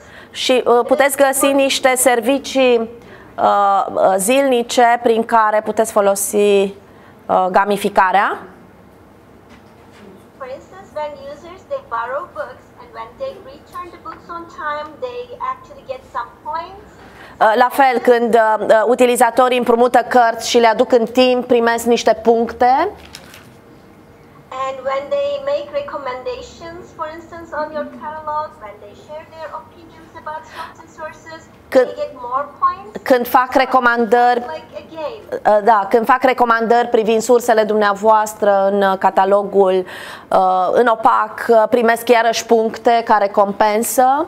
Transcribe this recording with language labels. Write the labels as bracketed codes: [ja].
[ro] Și puteți găsi niște servicii zilnice prin care puteți folosi gamificarea. [en] For instance, when users they borrow books and when they return the books on time, they actually get some points. [ro] La fel, când utilizatorii împrumută cărți și le aduc în timp, primesc niște puncte. [en] And when they make recommendations, for instance, on your catalog, when they share their opinions about certain sources, [ro] când, [en] they get more points. [ro] Când fac recomandări, da, când fac recomandări privind sursele dumneavoastră în catalogul în OPAC, primesc iarăși puncte care compensă.